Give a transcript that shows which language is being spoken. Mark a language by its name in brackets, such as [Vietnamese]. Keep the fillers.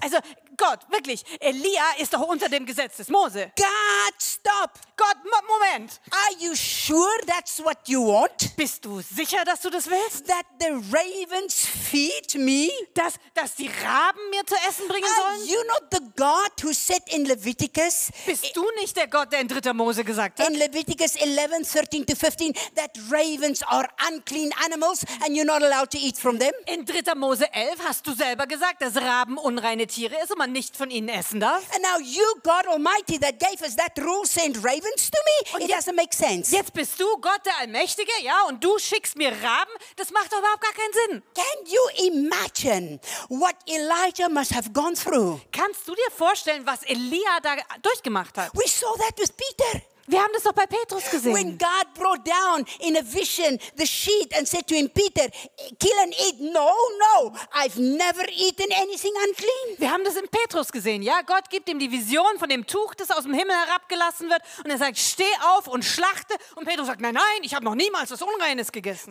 [German] Also, Gott, wirklich, Elia ist doch unter dem Gesetz des Mose. [English] God, stop. [German] Gott, Moment. [English] Are you sure that's what you want? [German] Bist du sicher, dass du das willst? [English] That the ravens feed me? [German] Dass, dass die Raben mir zu essen bringen sollen? [English] Are you not the God who said in Leviticus? [German] Bist du nicht der Gott, der in dritter Mose gesagt hat? [English] In Leviticus 11, 13 to 15, that ravens are unclean animals and you're not allowed to eat from them? [German] In dritter Mose 11 hast du selber gesagt, dass Raben unreine Tiere sind. und man man nicht von ihnen essen darf. [English] And now you, God Almighty, that gave us that rule, send ravens to me. It jetzt, doesn't make sense. [German] Jetzt bist du Gott der Allmächtige, ja, und du schickst mir Raben. Das macht doch überhaupt gar keinen Sinn. [English] Can you imagine what Elijah must have gone through? [German] Kannst du dir vorstellen, was Elia da durchgemacht hat? [English] We saw that with Peter. [German] Wir haben das doch bei Petrus gesehen. [English] When God brought down in a vision the sheet and said to him, Peter, kill and eat. No, no, I've never eaten anything unclean. [German] Wir haben das in Petrus gesehen. Ja, Gott gibt ihm die Vision von dem Tuch, das aus dem Himmel herabgelassen wird, und er sagt, steh auf und schlachte. Und Petrus sagt, nein, nein, ich habe noch niemals was Unreines gegessen.